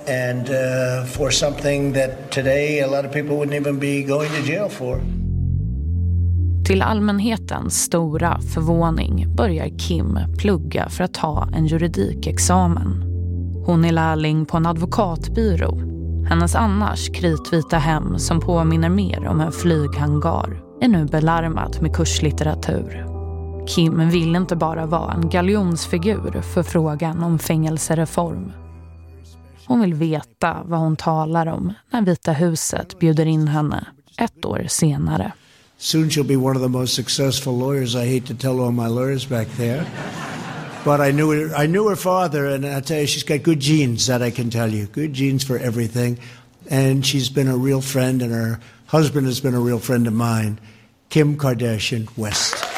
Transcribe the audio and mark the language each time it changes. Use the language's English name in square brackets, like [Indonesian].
[English] And for something that today a lot of people wouldn't even be going to jail for. [Swedish] Till allmänhetens stora förvåning börjar Kim plugga för att ta en juridikexamen. Hon är lärling på en advokatbyrå. Hennes annars kritvita hem, som påminner mer om en flyghangar, är nu belarmat med kurslitteratur. Kim vill inte bara vara en galjonsfigur för frågan om fängelsereform. Hon vill veta vad hon talar om när Vita huset bjuder in henne ett år senare. [English] Soon she'll be one of the most successful lawyers. I hate to tell all my lawyers back there, but I knew her father, and I tell you, she's got good genes, that I can tell you. Good genes for everything, and she's been a real friend, and her husband has been a real friend of mine, Kim Kardashian West.